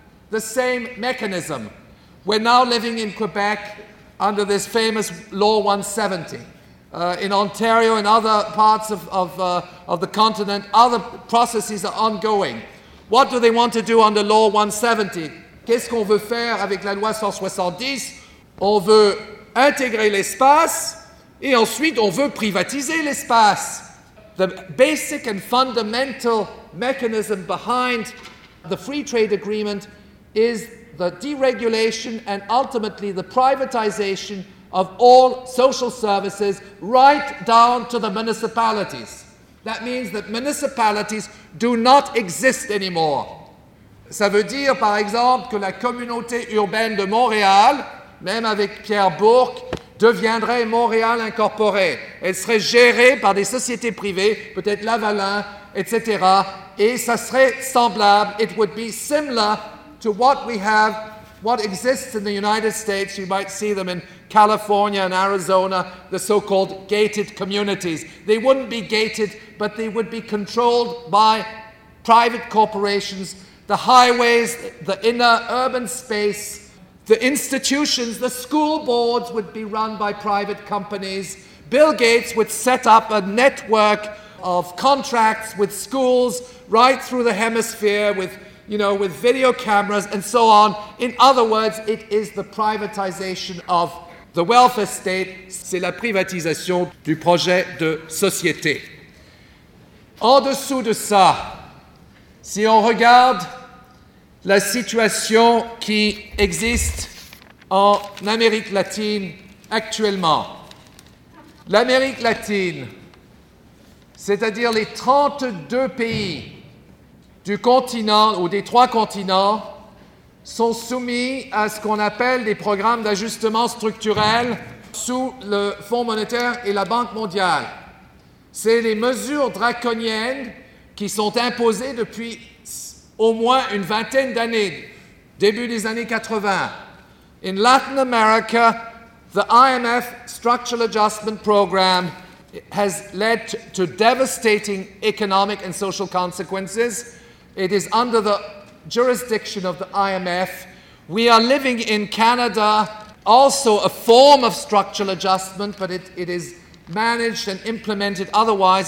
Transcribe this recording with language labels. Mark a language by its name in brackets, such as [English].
[English] The same mechanism. We're now living in Quebec under this famous Law 170. In Ontario and other parts of the continent, other processes are ongoing. What do they want to do under Law 170? [French] Qu'est-ce qu'on veut faire avec la loi 170? On veut intégrer l'espace et ensuite on veut privatiser l'espace. [English] The basic and fundamental mechanism behind the free trade agreement is the deregulation and ultimately the privatization of all social services right down to the municipalities. That means that municipalities do not exist anymore. [French] Ça veut dire, par exemple, que la communauté urbaine de Montréal, même avec Pierre Bourque, deviendrait Montréal incorporée. Elle serait gérée par des sociétés privées, peut-être Lavalin, etc. Et ça serait semblable, [English] it would be similar to what we have, what exists in the United States. You might see them in California and Arizona, the so-called gated communities. They wouldn't be gated, but they would be controlled by private corporations, the highways, the inner urban space, the institutions, the school boards would be run by private companies. Bill Gates would set up a network of contracts with schools right through the hemisphere with, you know, with video cameras and so on. In other words, it is the privatization of the welfare state. [French] C'est la privatisation du projet de société. En dessous de ça, si on regarde la situation qui existe en Amérique latine actuellement. L'Amérique latine, c'est-à-dire les 32 pays du continent ou des trois continents, sont soumis à ce qu'on appelle des programmes d'ajustement structurel sous le Fonds monétaire et la Banque mondiale. C'est les mesures draconiennes qui sont imposées depuis au moins une vingtaine d'années, début des années 80. [English] In Latin America, the IMF Structural Adjustment Program has led to devastating economic and social consequences. It is under the jurisdiction of the IMF. We are living in Canada, also a form of structural adjustment, but it is managed and implemented otherwise.